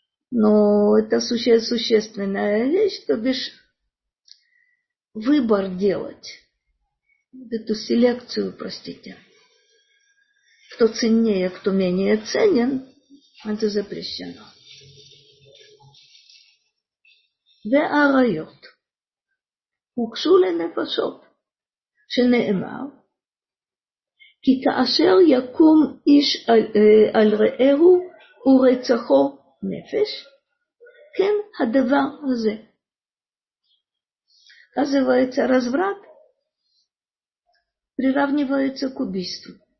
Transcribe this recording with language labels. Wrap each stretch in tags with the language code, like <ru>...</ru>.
<ru>Но это существенная вещь, то бишь выбор делать, эту селекцию, простите, кто ценнее, кто менее ценен, это запрещено.</ru> <he>Ве арайот укшу ле нефашот ше неэмар כי כאשר יקום איש על רעהו ורצחו נפש, כן הדבר הזה.</he> <ru>называется разврат, приравнивается к убийству.</ru>